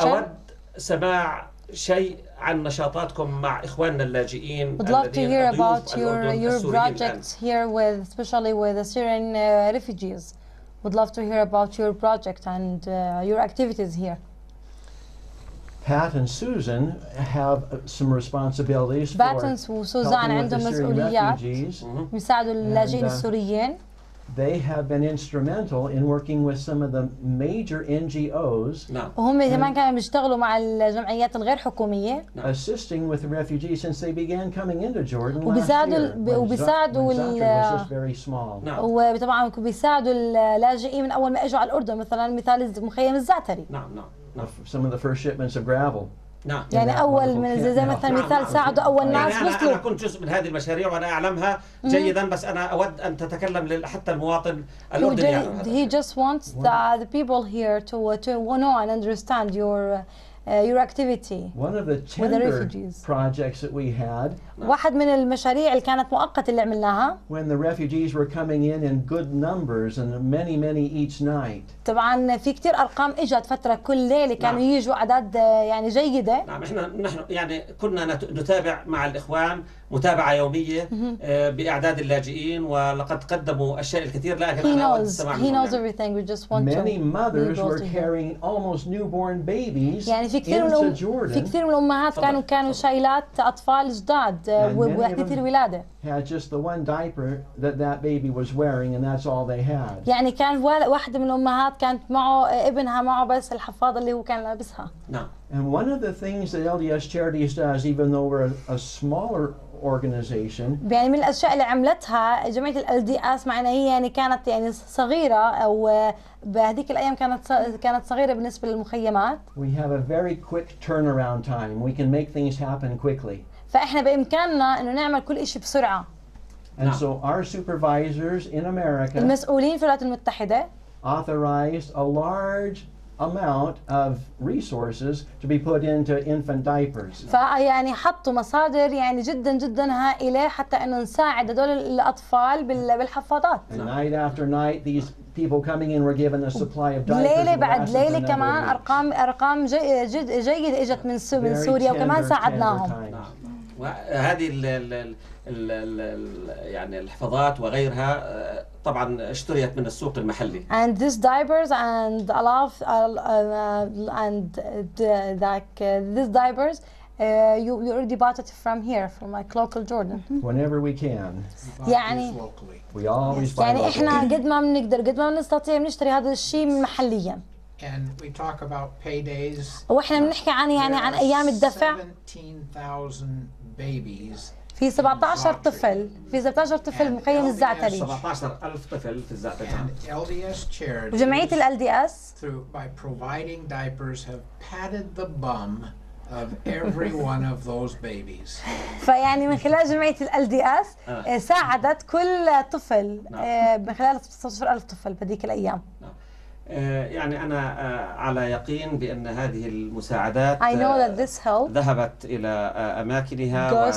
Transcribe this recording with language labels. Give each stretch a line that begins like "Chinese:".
Arabic: أود سماع شيء عن نشاطاتكم مع إخواننا اللاجئين.
English: Would love to hear about your projects here with, especially with the Syrian refugees. Would love to hear about your project and your activities here. Pat and Susan have some responsibilities for helping with the Syrian refugees.
Arabic: يساعدوا اللاجئين السوريين.
English: They have been instrumental in working with some of the major NGOs.
Arabic: وهم كمان كانوا بيشتغلوا مع الجمعيات الغير حكومية.
English: Assisting with the refugees since they began coming into Jordan.
Arabic: وبيساعدوا
English: ال. Was just very small.
Arabic: وطبعاً بيساعدوا اللاجئين من أول ما إجوا على الأردن مثلاً مثال مخيم الزعتري.
English: Some of the first shipments of gravel.
Arabic: نعم. يعني أول من زي مثلاً مثال ساعدوا أول ناس وصلوا. أنا كنت جزء من هذه المشاريع وأنا أعلمها جيداً بس أنا أود أن تتكلم حتى المواطن الأردني.
English: He just wants the people here to know and understand your activity. One of the tender projects that we had.
Arabic: واحد من المشاريع اللي كانت مؤقتة اللي عملناها.
English: When the refugees were coming in good numbers and many many each night.
Arabic: طبعاً في كتير أرقام إجت فترة كل ليلة كانوا يجوا أعداد يعني جيدة. نعم نحن يعني كنا نتابع مع الإخوان متابعة يومية بأعداد اللاجئين ولقد قدموا أشياء الكثير لكن أنا سمعت.
English: He knows everything. We just want many mothers were carrying almost newborn babies into Jordan.
Arabic: في كتير من الأمهات كانوا شايلات أطفال جداد. وكثير ولادة.
English: Had just the one diaper that baby was wearing, and that's all they had.
Arabic: يعني كان واحدة من الأمهات كانت معه ابنها معه بس الحفاضة اللي هو كان لابسها.
English: And one of the things that LDS Charities does, even though we're a smaller organization.
Arabic: يعني من الأشياء اللي عملتها جمعية LDS معنا هي يعني كانت يعني صغيرة أو بهذيك الأيام كانت صغيرة بالنسبة للمخيمات.
English: We have a very quick turnaround time. We can make things happen quickly.
Arabic: فإحنا بإمكاننا إنه نعمل كل إشي بسرعة.
English: And so our supervisors in America.
Arabic: المسؤولين في الولايات المتحدة.
English: Authorized a large amount of resources to be put into infant diapers.
Arabic: فيعني حطوا مصادر يعني جدا جدا هائلة حتى إنه نساعد هدول الأطفال بالحفاضات.
English: And night after night, these people coming in were given a supply of diapers.
Arabic: ليلة بعد ليلة كمان أرقام جيدة إجت من سوريا وكمان ساعدناهم. وهذه الـ الـ الـ الـ الـ يعني الحفاظات وغيرها طبعا اشتريت من السوق المحلي.
English: And these diapers and a lot of, and like these diapers you already bought it from here from like local Jordan. Whenever we can.
Arabic: يعني.
English: We always buy.
Arabic: يعني إحنا قد ما بنقدر قد ما بنستطيع بنشتري هذا الشيء محليا.
English: And we talk about paydays.
Arabic: وإحنا بنحكي عن يعني عن أيام الدفع.
English: 17,000 babies.
Arabic: في 17 طفل في 17 طفل مقيم الزعتري. 17,000 طفل في الزعتري.
English: And LDS charities.
Arabic: وجمعية LDS.
English: Through by providing diapers have patted the bum of every one of those babies.
Arabic: فيعني من خلال جمعية LDS ساعدت كل طفل من خلال 17,000 طفل بهذيك الأيام. يعني أنا على يقين بأن هذه المساعدات
English: I know that this help
Arabic: ذهبت إلى أماكنها